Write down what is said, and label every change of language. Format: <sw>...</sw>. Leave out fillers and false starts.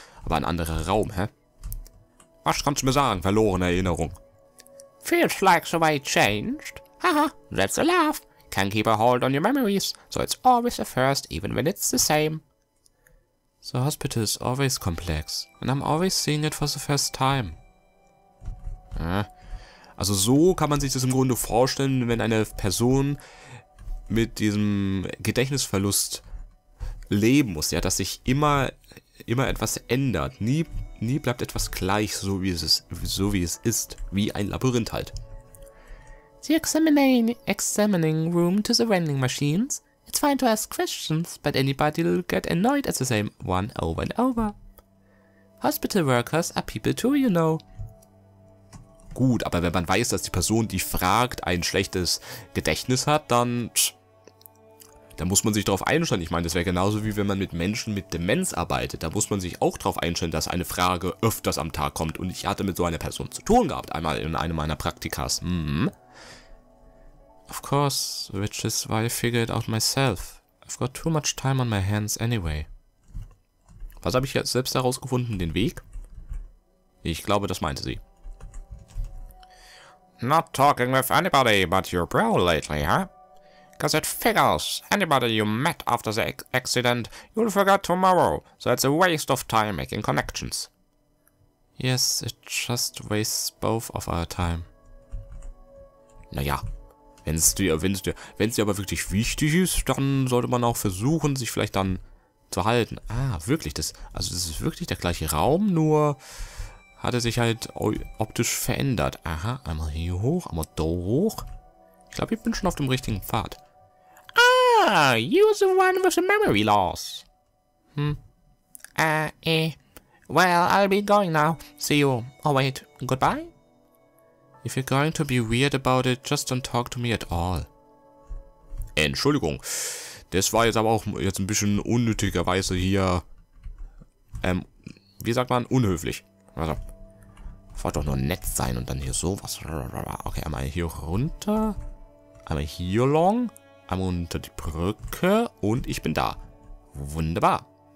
<de>Aber ein anderer Raum, hä? Was kannst du mir sagen, verlorene Erinnerung?</de> <en>Feels like the way it changed. Haha, that's a laugh. Can keep a hold on your memories. So it's always a first, even when it's the same. The hospital is always complex. And I'm always seeing it for the first time.</en> <de>Also so kann man sich das im Grunde vorstellen, wenn eine Person mit diesem Gedächtnisverlust leben muss, ja, dass sich immer etwas ändert. Nie bleibt etwas gleich, so wie es ist. Wie ein Labyrinth halt.</de> <en>The examining room to the vending machines. It's fine to ask questions, but anybody'll get annoyed at the same one over and over. Hospital workers are people too, you know.</en> <de>Gut, aber wenn man weiß, dass die Person, die fragt, ein schlechtes Gedächtnis hat, dann... Da muss man sich darauf einstellen. Ich meine, das wäre genauso wie wenn man mit Menschen mit Demenz arbeitet. Da muss man sich auch darauf einstellen, dass eine Frage öfters am Tag kommt. Und ich hatte mit so einer Person zu tun gehabt, einmal in einem meiner Praktikas.</de> <en>Of course, which is why I figured out myself. I've got too much time on my hands anyway.</en> <de>Was habe ich jetzt selbst herausgefunden? Den Weg? Ich glaube, das meinte sie.</de> <en>Not talking with anybody but your bro lately, huh? Because it figures, anybody you met after the accident, you'll forget tomorrow, so it's a waste of time making connections. Yes, it just wastes both of our time.</en> <de>Naja, wenn's dir aber wirklich wichtig ist, dann sollte man auch versuchen, sich vielleicht dann zu halten. Ah, wirklich, das ist wirklich der gleiche Raum, nur hat er sich halt optisch verändert. Aha, einmal hier hoch, einmal da hoch. Ich glaube, ich bin schon auf dem richtigen Pfad.</de> <en>You're the one with the memory loss. Well, I'll be going now. See you. Oh, wait. Goodbye? If you're going to be weird about it, just don't talk to me at all.</en> <de>Entschuldigung. Das war jetzt aber auch jetzt ein bisschen unnötigerweise hier... wie sagt man? Unhöflich. Also, wollte doch nur nett sein und dann hier sowas. Okay, einmal hier runter. Einmal hier long. Einmal unter die Brücke und ich bin da. Wunderbar.</de>